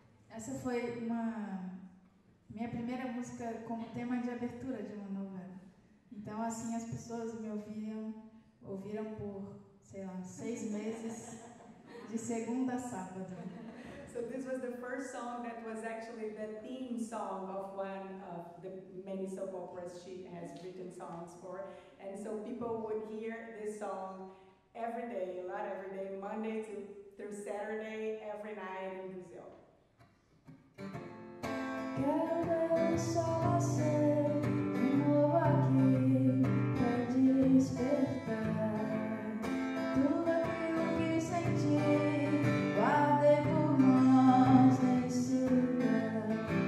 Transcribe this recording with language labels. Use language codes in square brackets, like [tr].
[pt] Essa foi uma minha primeira música como tema de abertura de uma novela. Então, assim, as pessoas me ouviram por, sei lá, 6 meses, de segunda a sábado. [en] So this was the first song that was actually the theme song of one of the many soap operas she has written songs for. And so people would hear this song every day, a lot every day, Monday through Saturday, every night in Brazil. [pt] Quero ver só você de novo aqui pra despertar. Tudo aquilo que senti, guardei por nós nesse lugar.